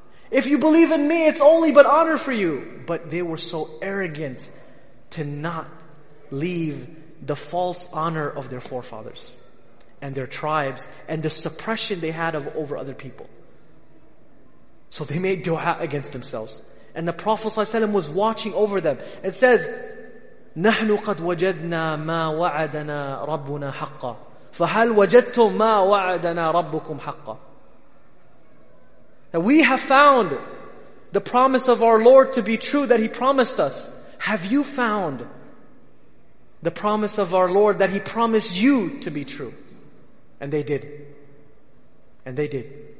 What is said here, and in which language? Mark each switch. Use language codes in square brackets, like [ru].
[en] If you believe in me, it's only but honor for you. But they were so arrogant to not leave the false honor of their forefathers and their tribes and the suppression they had of over other people. So they made dua against themselves. And the Prophet ﷺ was watching over them. It says, [ar] نَحْنُ قَدْ وَجَدْنَا مَا وَعَدَنَا رَبُّنَا حَقَّ فَهَلْ وَجَدْتُمْ مَا وَعَدَنَا رَبُّكُمْ حَقَّ. [en] That we have found the promise of our Lord to be true that He promised us. Have you found the promise of our Lord that He promised you to be true? And they did. And they did.